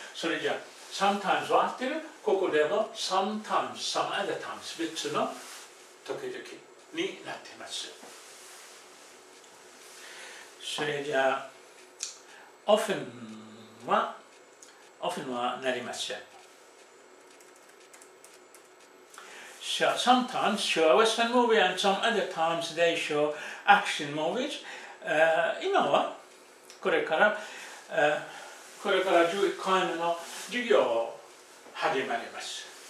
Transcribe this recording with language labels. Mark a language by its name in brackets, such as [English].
[Japanese] それじゃあ、sometimes は合ってる、ここでも、sometimes、 [English] some other times、 [Japanese] 別の時々。になっています。それじゃあ、often はなりません。 [English] So, sometimes show a Western movie and some other times they show action movies. [Japanese] 今はこれから11回目の授業を始まります。